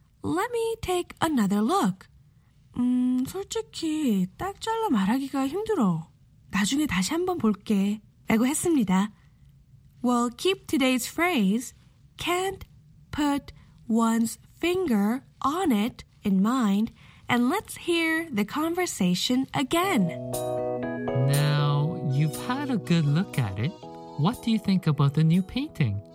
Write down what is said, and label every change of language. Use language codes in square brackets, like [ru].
[en] Let me take another look. [ko] 솔직히 딱 잘라 말하기가 힘들어. 나중에 다시 한번 볼게. 라고 했습니다. [en] Well, keep today's phrase, can't put one's finger on it in mind, and let's hear the conversation again. Now, you've had a good look at it. What do you think about the new painting?